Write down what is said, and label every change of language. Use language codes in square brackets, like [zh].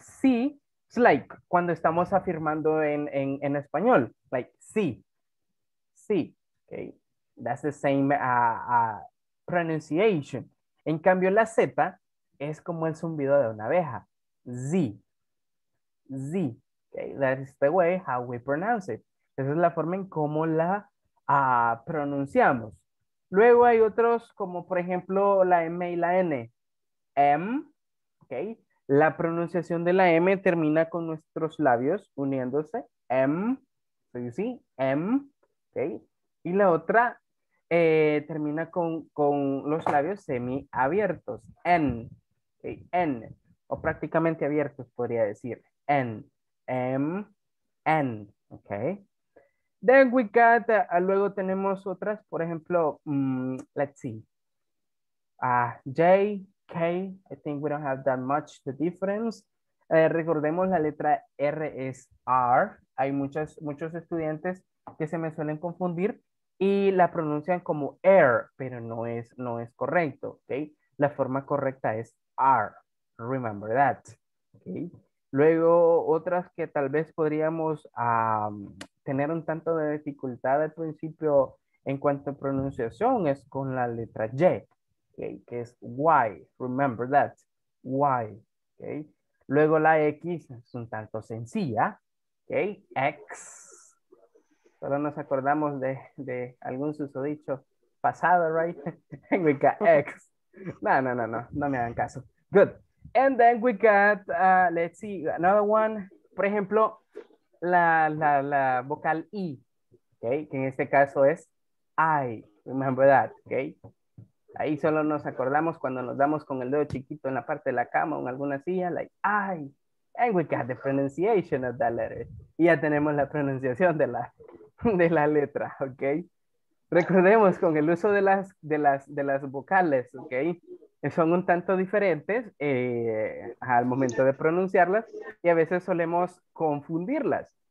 [es] C es like cuando estamos afirmando en español. [en] Like C. C. Ok. That's the same pronunciation. [es] En cambio, la Z es como el zumbido de una abeja. [en] Z. Z, okay, that is the way how we pronounce it. [es] Esa es la forma en cómo la pronunciamos. Luego hay otros, como por ejemplo la M y la N. M, okay, la pronunciación de la M termina con nuestros labios uniéndose. M, [en] so you see, [es] M, okay, y la otra termina con los labios semi abiertos. N, okay, N, o prácticamente abiertos, podría decir. [en] N, M, N, ok. Then we got, [es] luego tenemos otras, por ejemplo, [en] let's see. J, K, I think we don't have that much the difference. [es] Recordemos la letra R es R. Hay muchos estudiantes que se me suelen confundir y la pronuncian como R, pero no es correcto, ok. La forma correcta es R, [en] remember that, [es] ok. Luego, otras que tal vez podríamos tener un tanto de dificultad al principio en cuanto a pronunciación es con la letra Y, okay, que es Y, [en] remember that, [es] Y. Okay. Luego la X es un tanto sencilla, okay, X. Solo nos acordamos de algún susodicho pasado, right? [en] We got X. [es] No me hagan caso. [en] Good. And then we got, let's see, another one. [es] Por ejemplo, la vocal I, okay, que en este caso es I, [en] remember that, [es] okay? Ahí solo nos acordamos cuando nos damos con el dedo chiquito en la parte de la cama o en alguna silla, like I. [en] And we got the pronunciation of that letter. [es] Y ya tenemos la pronunciación de la letra, okay? Recordemos con el uso de las vocales, okay? Son un tanto diferentes al momento de pronunciarlas y a veces solemos confundirlas.